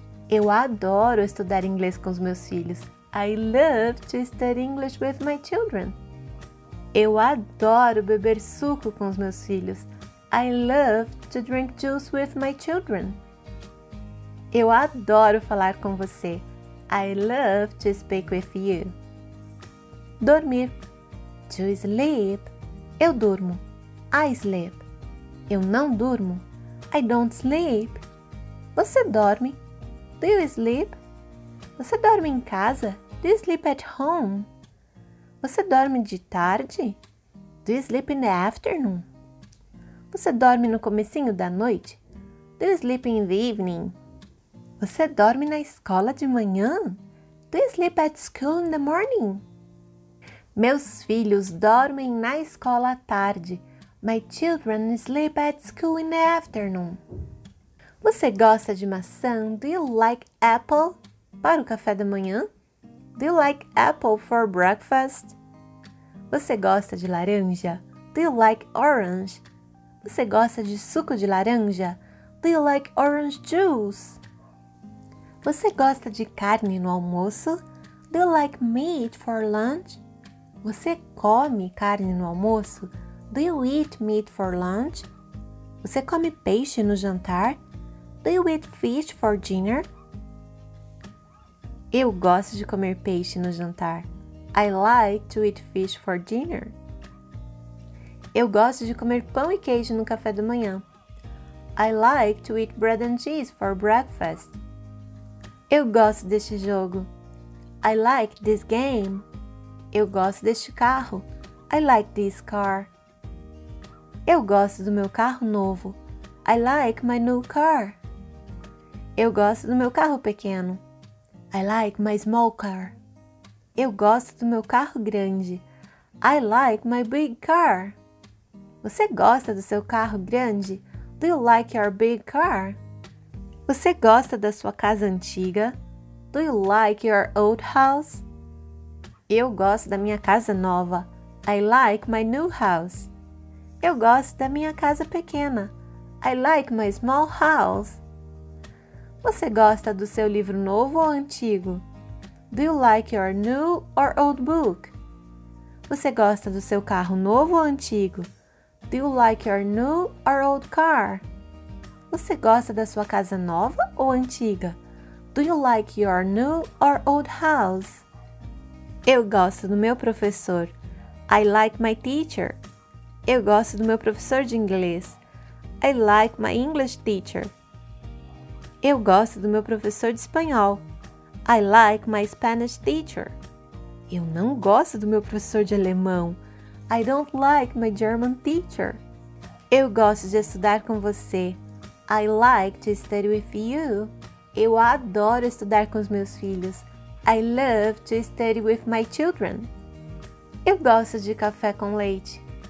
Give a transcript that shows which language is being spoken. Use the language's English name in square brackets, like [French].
[Portuguese] Eu adoro estudar inglês com os meus filhos. [English] I love to study English with my children. [Portuguese] Eu adoro beber suco com os meus filhos. [English] I love to drink juice with my children. [Portuguese] Eu adoro falar com você. [English] I love to speak with you. [Portuguese] Dormir. [English] To sleep. [Portuguese] Eu durmo. [English] I sleep. [Portuguese] Eu não durmo. [English] I don't sleep. [Portuguese] Você dorme? [English] Do you sleep? [Portuguese] Você dorme em casa? [English] Do you sleep at home? [Portuguese] Você dorme de tarde? [English] Do you sleep in the afternoon? [Portuguese] Você dorme no comecinho da noite? [English] Do you sleep in the evening? [Portuguese] Você dorme na escola de manhã? [English] Do you sleep at school in the morning? [Portuguese] Meus filhos dormem na escola à tarde. [English] My children sleep at school in the afternoon. [Portuguese] Você gosta de maçã? [English] Do you like apple? [Portuguese] Para o café da manhã? [English] Do you like apple for breakfast? [Portuguese] Você gosta de laranja? [English] Do you like orange? [Portuguese] Você gosta de suco de laranja? [English] Do you like orange juice? [Portuguese] Você gosta de carne no almoço? [English] Do you like meat for lunch? [Portuguese] Você come carne no almoço? [English] Do you eat meat for lunch? [Portuguese] Você come peixe no jantar? [English] Do you eat fish for dinner? [Portuguese] Eu gosto de comer peixe no jantar. [English] I like to eat fish for dinner. [Portuguese] Eu gosto de comer pão e queijo no café da manhã. [English] I like to eat bread and cheese for breakfast. [Portuguese] Eu gosto deste jogo. [English] I like this game. [Portuguese] Eu gosto deste carro. [English] I like this car. [Portuguese] Eu gosto do meu carro novo. [English] I like my new car. [Portuguese] Eu gosto do meu carro pequeno. [English] I like my small car. [Portuguese] Eu gosto do meu carro grande. [English] I like my big car. [Portuguese] Você gosta do seu carro grande? [English] Do you like your big car? [Portuguese] Você gosta da sua casa antiga? [English] Do you like your old house? [Portuguese] Eu gosto da minha casa nova. [English] I like my new house. [Portuguese] Eu gosto da minha casa pequena. [English] I like my small house. [Portuguese] Você gosta do seu livro novo ou antigo? [English] Do you like your new or old book? [Portuguese] Você gosta do seu carro novo ou antigo? [English] Do you like your new or old car? [Portuguese] Você gosta da sua casa nova ou antiga? [English] Do you like your new or old house? [Portuguese] Eu gosto do meu professor. [English] I like my teacher. [Portuguese] Eu gosto do meu professor de inglês. [English] I like my English teacher. [Portuguese] Eu gosto do meu professor de espanhol. [English] I like my Spanish teacher. [Portuguese] Eu não gosto do meu professor de alemão. [English] I don't like my German teacher. [Portuguese] Eu gosto de estudar com você. [English] I like to study with you. [Portuguese] Eu adoro estudar com os meus filhos. [English] I love to study with my children. [Portuguese] Eu gosto de café com leite.